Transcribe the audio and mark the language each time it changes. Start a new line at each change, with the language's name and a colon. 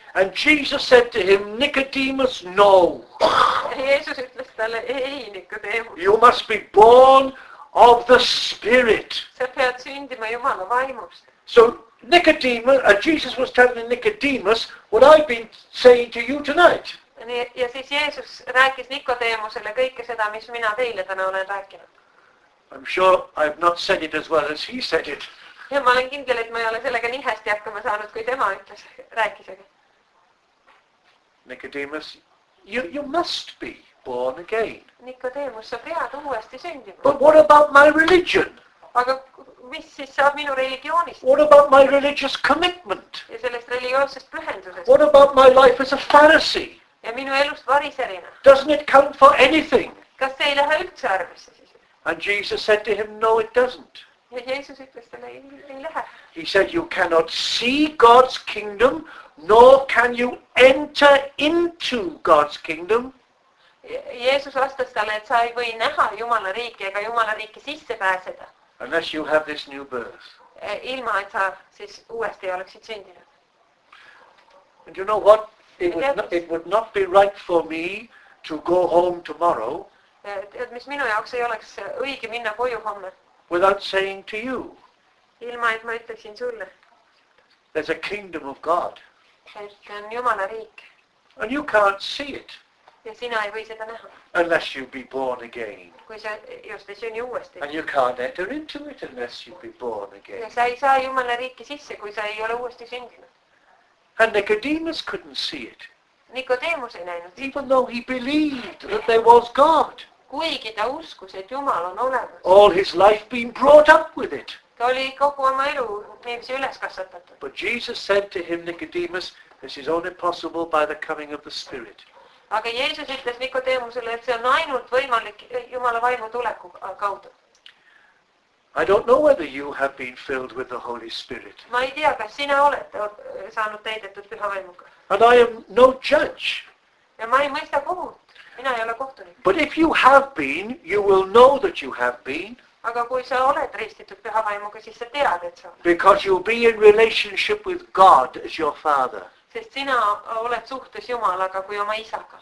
English: And Jesus said to him, Nicodemus, no.
Estonian: Jeesus ütles talle, ei, Nicodemus.
English: You must be born of the Spirit.
Estonian: Sa pead sündima Jumala vaimust.
English: So Nicodemus, Jesus was telling Nicodemus what I've been saying to you tonight.
Estonian: Ja siis Jeesus rääkis Nikodeemusele kõike seda, mis mina teile täna olen rääkinud.
English: I'm sure I've not said it as well as he said it.
Estonian: Ja ma olen kindel, et ma ei ole sellega nii hästi hakkama saanud, kui tema ütles, rääkisega.
English: Nicodemus, you must be born again.
Estonian: Nicodemus, sa pead uuesti sündima.
English: But what about my religion?
Estonian: Aga mis siis saab minu religioonist?
English: What about my religious commitment?
Estonian: Ja sellest religioosest pühendusest?
English: What about my life as a Pharisee?
Estonian: Ja minu elust variserina.
English: Doesn't it count for anything?
Estonian: Kas see ei lähe üldse arvesse siis?
English: And Jesus said to him, no, it doesn't.
Estonian: Ja Jeesus ütles talle, ei lähe.
English: He said, you cannot see God's kingdom, nor can you enter into God's kingdom.
Estonian: Jeesus vastas talle, et sa ei või näha Jumala riiki, ega Jumala riiki sisse pääseda.
English: Unless you have this new birth.
Estonian: Ilma, et sa siis uuesti oleksid sündinud.
English: And you know what? It would not be right for me to go home tomorrow.
Estonian: Et mis minu jaoks ei oleks õige minna koju homme.
English: Without saying to you.
Estonian: Ilma, et ma ütleksin sulle.
English: There's a kingdom of God.
Estonian: Et on Jumala riik.
English: And you can't see it.
Estonian: Ja sina ei või seda näha.
English: Unless you be born again.
Estonian: Kui sa just ei sünni uuesti.
English: And you can't enter into it unless you be born again.
Estonian: Ja sa ei saa Jumala riiki sisse, kui sa ei ole uuesti sündinud.
English: And Nicodemus couldn't see it.
Estonian: Nicodemus ei näinud.
English: Even though he believed that there was God.
Estonian: Kuigi ta uskus, et Jumal on olemas.
English: All his life being brought up with it.
Estonian: Ta oli kogu oma elu niimoodi üles kasvatatud.
English: But Jesus said to him, Nicodemus, this is only possible by the coming of the Spirit.
Estonian: Aga Jeesus ütles Nicodemusele, et see on ainult võimalik Jumala vaimu tuleku kaudu.
English: I don't know whether you have been filled with the Holy Spirit.
Estonian: Ma ei tea, kas sina olete saanud täidetud püha vaimuga.
English: And I am no judge.
Estonian: Ja ma ei mõista kohut. Mina ei ole kohtunik.
English: But if you have been, you will know that you have been.
Estonian: Aga kui sa oled ristitud püha vaimuga, siis sa tead, et sa oled.
English: Because you'll be in relationship with God as your father.
Estonian: Sest sina oled suhtes Jumalaga kui oma isaga.